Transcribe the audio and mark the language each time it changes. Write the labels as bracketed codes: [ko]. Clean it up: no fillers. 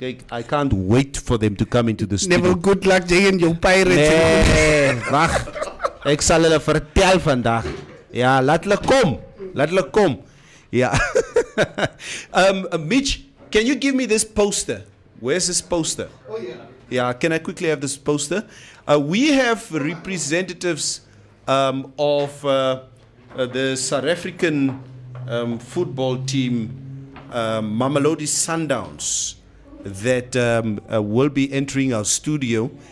[en] I can't wait for them to come into the studio. Never good luck Jay and your pirates. [af] Wacht. Ek sal hulle vertel vandag. Ja, laat hulle kom. Yeah. [en] Mitch, can you give me this poster? Where's this poster? Oh, yeah. Yeah, can I quickly have this poster? We have representatives of the South African football team, Mamelodi Sundowns, that will be entering our studio.